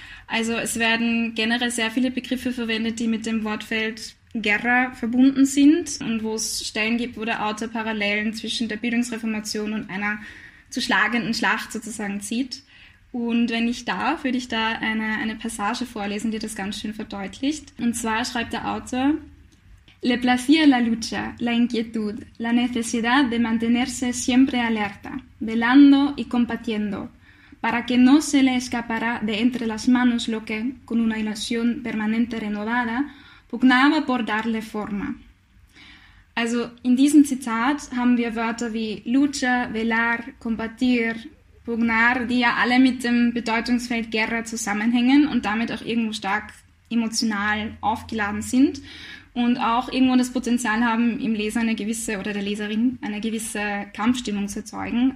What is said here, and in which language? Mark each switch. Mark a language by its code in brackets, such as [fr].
[de] Also es werden generell sehr viele Begriffe verwendet, die mit dem Wortfeld Guerra verbunden sind und wo es Stellen gibt, wo der Autor Parallelen zwischen der Bildungsreformation und einer zu schlagenden Schlacht sozusagen zieht. Und wenn ich darf, würde ich da eine Passage vorlesen, die das ganz schön verdeutlicht. Und zwar schreibt der Autor: [es] Le placía la lucha, la inquietud, la necesidad de mantenerse siempre alerta, velando y combatiendo, para que no se le escapara de entre las manos lo que, con una ilusión permanente renovada, pugnaba por darle forma. [de] Also in diesem Zitat haben wir Wörter wie lucha, velar, combatir, pugnar, die ja alle mit dem Bedeutungsfeld guerra zusammenhängen und damit auch irgendwo stark emotional aufgeladen sind. Und auch irgendwo das Potenzial haben, im Leser eine gewisse, oder der Leserin, eine gewisse Kampfstimmung zu erzeugen.